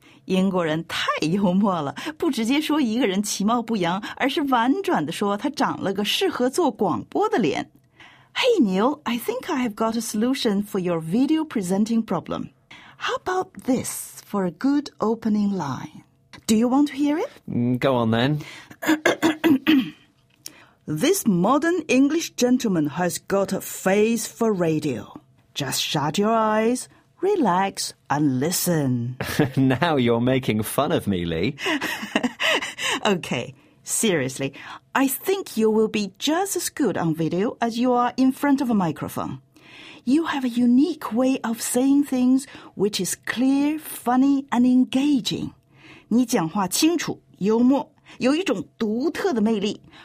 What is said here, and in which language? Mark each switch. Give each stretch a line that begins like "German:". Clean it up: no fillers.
Chinese: 英国人太幽默了，不直接说一个人其貌不扬，而是婉转地说他长了个适合做广播的脸。
English: Hey, Neil, I think I have got a solution for your video presenting problem. How about this for a good opening line? Do you want to hear it? Go on, then. This modern English gentleman has got a face for radio. Just shut your eyes, relax, and listen. Now you're making fun of me, Lee. Okay. Seriously, I think you will be just as good on video as you are in front of a microphone. You have a unique way of saying things which is clear, funny, and engaging.
Chinese: 你讲话清楚，幽默，有一种独特的魅力。